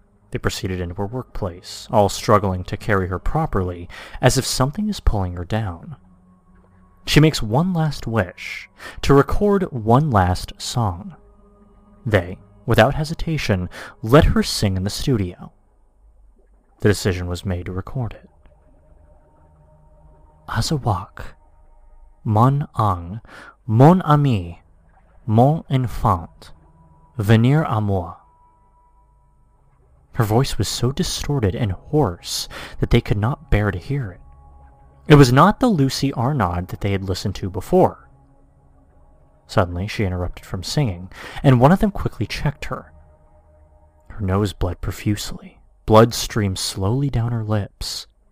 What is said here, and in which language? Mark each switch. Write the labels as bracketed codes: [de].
[en] They proceeded into her workplace, all struggling to carry her properly, as if something is pulling her down. She makes one last wish, to record one last song. They, without hesitation, let her sing in the studio. The decision was made to record it. [fr] Azawak, mon ang, mon ami, mon enfant, venir à moi. [en] Her voice was so distorted and hoarse that they could not bear to hear it. It was not the Lucy Arnaud that they had listened to before. Suddenly, she interrupted from singing, and one of them quickly checked her. Her nose bled profusely. Blood streamed slowly down her lips.